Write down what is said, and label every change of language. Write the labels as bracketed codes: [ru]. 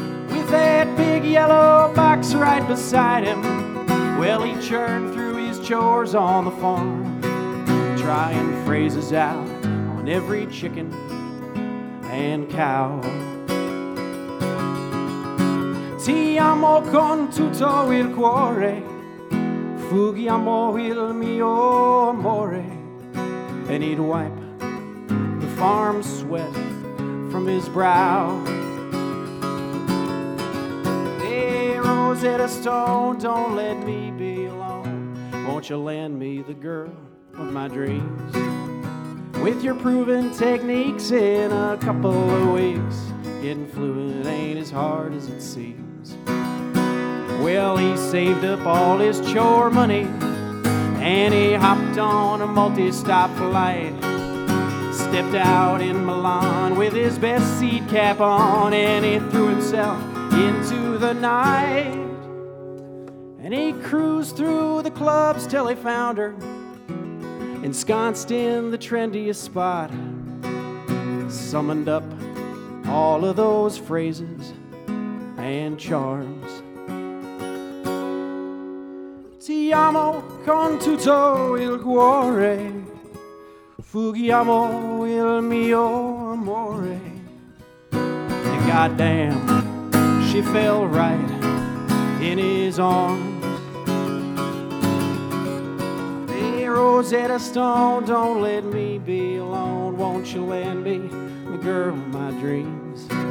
[en] With that big yellow box right beside him, well, he churned through his chores on the farm, trying phrases out on every chicken and cow. [it] Ti amo con tutto il cuore, fuggiamo il mio amore. [en] And he'd wipe the farm sweat from his brow. Hey, Rosetta Stone, don't let me be alone. Won't you land me the girl of my dreams? With your proven techniques, in a couple of weeks, getting fluent ain't as hard as it seems. Well, he saved up all his chore money, and he hopped on a multi-stop flight. Stepped out in Milan with his best seat cap on, and he threw himself into the night. And he cruised through the clubs till he found her, ensconced in the trendiest spot. Summoned up all of those phrases and charms. [it] Ti amo con tutto il cuore, fuggiamo il mio amore. [en] And goddamn, she fell right in his arms. Hey, Rosetta Stone, don't let me be alone. Won't you land me the girl of my dreams?